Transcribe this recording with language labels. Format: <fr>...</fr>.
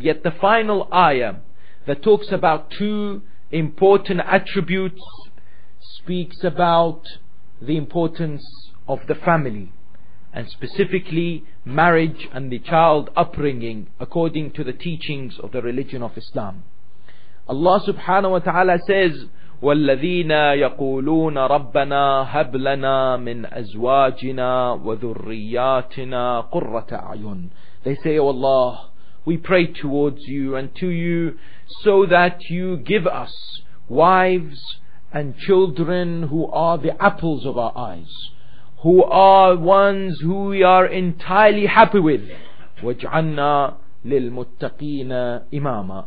<en>Yet the final ayah that talks about two important attributes speaks about the importance of the family, and specifically marriage and the child upbringing according to the teachings of the religion of Islam. Allah subhanahu wa ta'ala says,</en> <ar>وَالَّذِينَ يَقُولُونَ رَبَّنَا هَبْ لَنَا مِنْ أَزْوَاجِنَا وَذُرِّيَّاتِنَا قُرَّةَ أَعْيُنٍ.</ar> <en>They say, O Allah, we pray towards you and to you so that you give us wives and children who are the apples of our eyes, who are ones who we are entirely happy with.</en> <ar>وَاجْعَلْنَا لِلْمُتَّقِينَ إِمَامًا.</ar>